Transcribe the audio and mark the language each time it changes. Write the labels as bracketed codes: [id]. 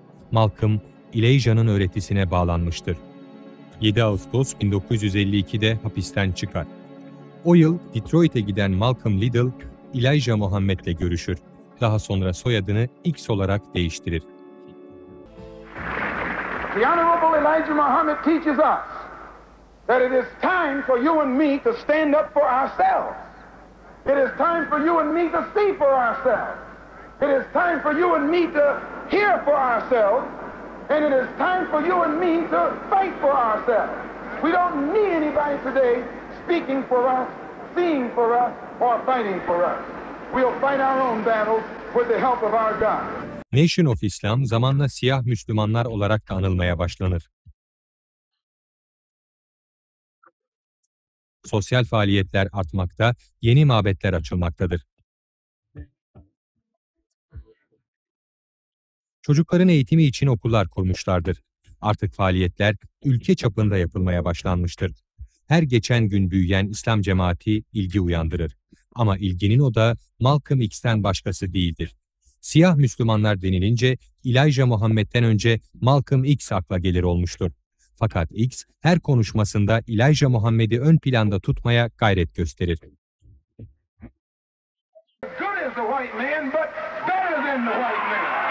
[tr] Malcolm, Elijah'nın öğretisine bağlanmıştır. 7 Ağustos 1952'de hapisten çıkar. O yıl Detroit'e giden Malcolm Liddell, Elijah Muhammed'le görüşür. Daha sonra soyadını X olarak değiştirir. [en] The Honorable Elijah Muhammed teaches us that it is time for you and me to stand up for ourselves. It is time for you and me to see for ourselves. It is time for you and me to hear for ourselves. And it is time for you and me to fight for ourselves. We don't need anybody today speaking for us, seeing for us, or fighting for us. We'll fight our own battles with the help of our God. [tr] Nation of Islam zamanla siyah Müslümanlar olarak da anılmaya başlanır. Sosyal faaliyetler artmakta, yeni mabetler açılmaktadır. Çocukların eğitimi için okullar kurmuşlardır. Artık faaliyetler ülke çapında yapılmaya başlanmıştır. Her geçen gün büyüyen İslam cemaati ilgi uyandırır. Ama ilginin odağı Malcolm X'ten başkası değildir. Siyah Müslümanlar denilince Elijah Muhammed'den önce Malcolm X akla gelir olmuştur. Fakat X her konuşmasında Elijah Muhammed'i ön planda tutmaya gayret gösterir. [en] Good as a white man, but better than the white man.